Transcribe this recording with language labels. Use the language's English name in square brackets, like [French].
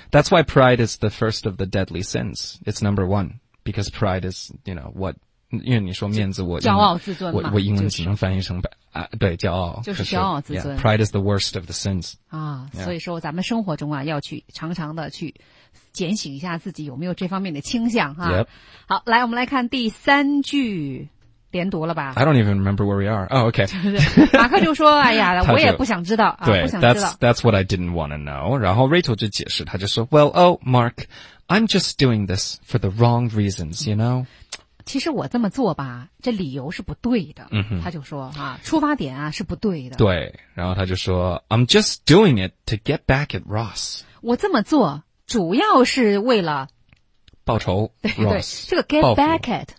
[English] That's why pride is the first of the deadly sins. It's number one. Because pride is, you know, what, [Chinese] 因为你说面子，我骄傲自尊嘛，我英文只能翻译成、就是、啊，对，骄傲就是骄傲自尊。 [English] Yeah, pride is the worst of the sins 啊， yeah. [Chinese] 所以说咱们生活中啊，要去常常的去检省一下自己有没有这方面的倾向哈。 [English] Yep. [Chinese] 好，来我们来看第三句，连读了吧 [English] ？I don't even remember where we are. Oh, okay. [Chinese] 马克就说：“哎呀，我也不想知道啊，对不想知道。 [English] ”That's what I didn't want to know. [Chinese] 然后 Rachel 就解释，他就说 [English] ：“Well, oh, Mark, I'm just doing this for the wrong reasons, you know.” [Chinese] 其实我这么做吧，这理由是不对的。嗯哼，他就说啊，出发点啊是不对的。对，然后他就说 [English] ，I'm just doing it to get back at Ross。 [Chinese] 我这么做主要是为了报仇。对 [English] Ross, [Chinese] 对，这个 get back at。